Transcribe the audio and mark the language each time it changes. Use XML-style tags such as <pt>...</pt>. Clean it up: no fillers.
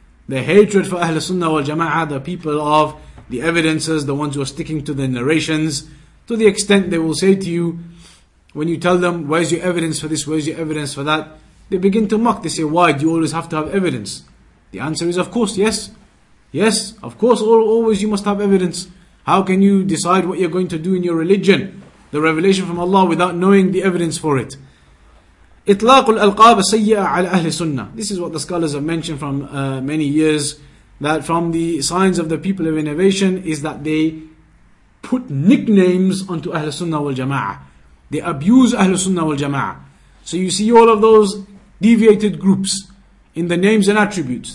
<en>Their hatred for Ahl Sunnah wal Jama'ah, the people of the evidences, the ones who are sticking to the narrations, to the extent they will say to you, when you tell them, where's your evidence for this, where's your evidence for that, they begin to mock. They say, why do you always have to have evidence? The answer is, of course, yes. Yes, of course, always you must have evidence. How can you decide what you're going to do in your religion, the revelation from Allah, without knowing the evidence for it?</en> <ar>إطلاق الألقاب السيئة على أهل السنة.</ar> <en>This is what the scholars have mentioned from many years, that from the signs of the people of innovation is that they put nicknames onto Ahl Sunnah wal Jama'ah. They abuse Ahl Sunnah wal Jama'ah. So you see all of those deviated groups in the names and attributes.</en>